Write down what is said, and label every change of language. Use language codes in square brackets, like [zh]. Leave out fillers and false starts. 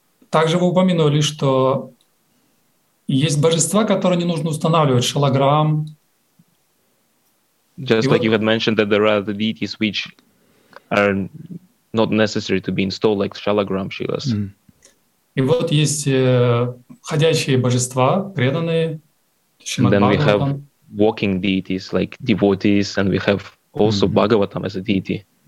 [ru] Также вы упомянули, что есть божества, которые не нужно устанавливать, шалограмм. [en] Just [ru] и [en] like [ru] вот... [en] you had mentioned that there are the deities which are not necessary to be installed, like shalagram, shilas. [ru] И вот есть ходящие божества, преданные. [en] And then we have walking deities, like devotees, and we have also Bhagavatam as a deity.